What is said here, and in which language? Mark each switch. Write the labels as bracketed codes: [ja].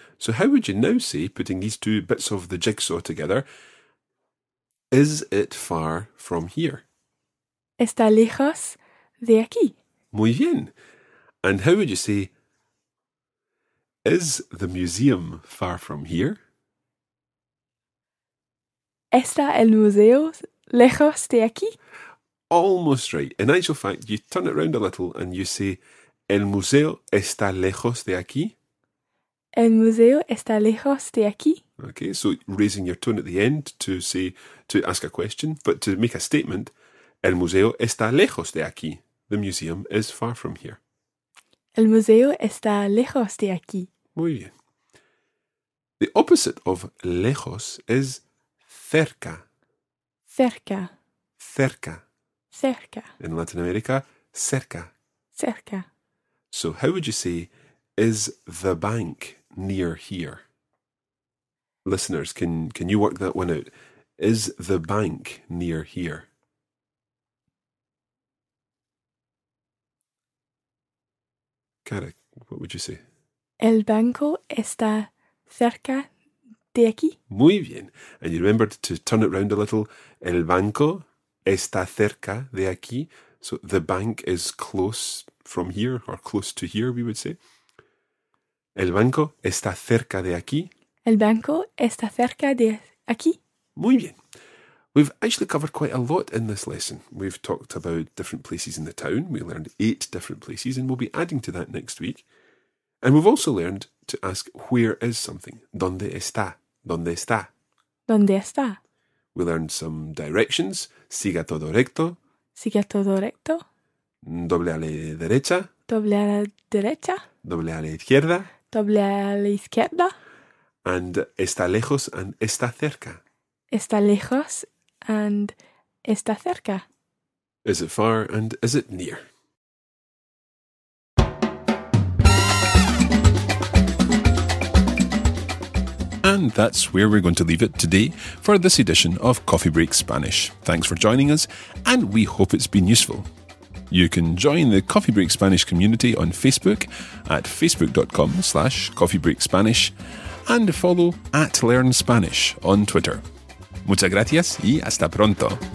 [en] So how would you now say, putting these two bits of the jigsaw together, is it far from here? [es] Está lejos de aquí. Muy bien. [en] And how would you say, is the museum far from here? [es] Está el museo lejos de aquí? [en] Almost right. In actual fact, you turn it around a little and you say, [es] el museo está lejos de aquí? El museo está lejos de aquí. [en] Okay, so raising your tone at the end to say, to ask a question, but to make a statement, [es] el museo está lejos de aquí. [en] The museum is far from here. [es] El museo está lejos de aquí. Muy bien. [en] The opposite of lejos is cerca. [es] Cerca. Cerca. Cerca. [en] In Latin America, cerca. [es] Cerca. [en] So how would you say, is the bank near here? Listeners, can you work that one out? Is the bank near here? Carrick, what would you say? [es] El banco está cerca de aquí. Muy bien. [en] And you remembered to turn it round a little. [es] El banco está cerca de aquí. [en] So the bank is close from here, or close to here, we would say. [es] El banco está cerca de aquí. El banco está cerca de aquí. Muy bien. [en] We've actually covered quite a lot in this lesson. We've talked about different places in the town. We learned 8 different places, and we'll be adding to that next week. And we've also learned to ask where is something. [es] ¿Dónde está? ¿Dónde está? ¿Dónde está? [en] We learned some directions. [es] Siga todo recto. Siga todo recto. Doble a la derecha. Doble a la derecha. Doble a la izquierda. Doble a la izquierda. And está lejos and está cerca. Está lejos and está cerca. [en] Is it far and is it near? And that's where we're going to leave it today for this edition of Coffee Break Spanish. Thanks for joining us, and we hope it's been useful. You can join the Coffee Break Spanish community on Facebook at facebook.com/coffeebreakspanish and follow at Learn Spanish on Twitter. [es] Muchas gracias y hasta pronto.